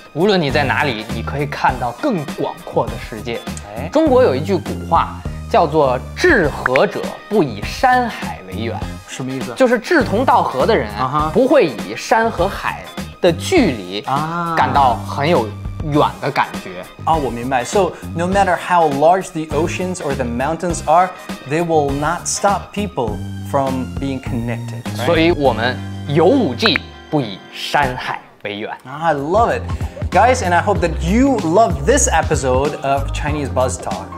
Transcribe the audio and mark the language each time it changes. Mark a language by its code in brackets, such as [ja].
[zh] 无论你在哪里，你可以看到更广阔的世界。中国有一句古话，叫做志合者不以山海为远。什么意思？就是志同道合的人不会以山和海的距离感到很有远的感觉。我明白。 [en] So no matter how large the oceans or the mountains are, they will not stop people from being connected, right? [zh] 所以我们有 5G 不以山海为远。 [en] I love it. Guys, and I hope that you love this episode of Chinese Buzz Talk.